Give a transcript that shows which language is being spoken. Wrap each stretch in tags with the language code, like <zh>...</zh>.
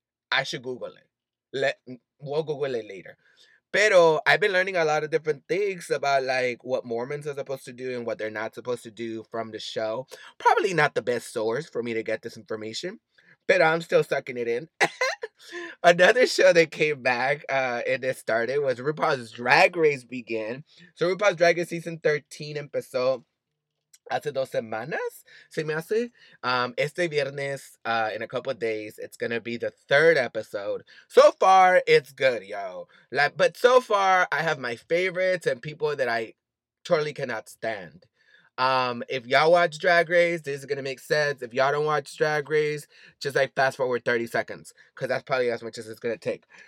<en>I should Google it. We'll Google it later. Pero I've been learning a lot of different things about, like, what Mormons are supposed to do and what they're not supposed to do from the show. Probably not the best source for me to get this information. But I'm still sucking it in. Another show that came back and it started was RuPaul's Drag Race began.</en> <es>So</es> <en>RuPaul's Drag Race season 13</en> <es>empezó hace dos semanas, se me hace. Este viernes,</es> <en>in a couple of days, it's going to be the third episode. So far, it's good, yo. Like, but so far, I have my favorites and people that I totally cannot stand. If y'all watch Drag Race, this is gonna make sense. If y'all don't watch Drag Race, just, like, fast forward 30 seconds, because that's probably as much as it's gonna take.</en>